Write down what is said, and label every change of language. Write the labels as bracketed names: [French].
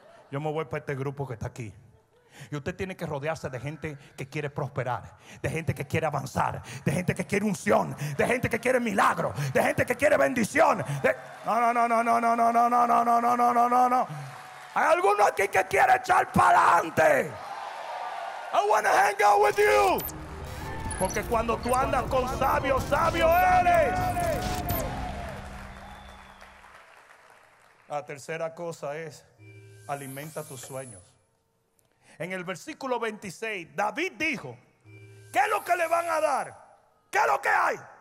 [Spanish] Yo me voy para este grupo que está aquí. Y usted tiene que rodearse de gente que quiere prosperar, de gente que quiere avanzar, de gente que quiere unción, de gente que quiere milagro, de gente que quiere bendición. No. Hay alguno aquí que quiere echar para adelante. [English] I want to hang out with you. [Spanish] Porque cuando tú andas con sabios, sabio eres. La tercera cosa es: alimenta tus sueños. En el versículo 26, David dijo: ¿qué es lo que le van a dar? ¿Qué es lo que hay?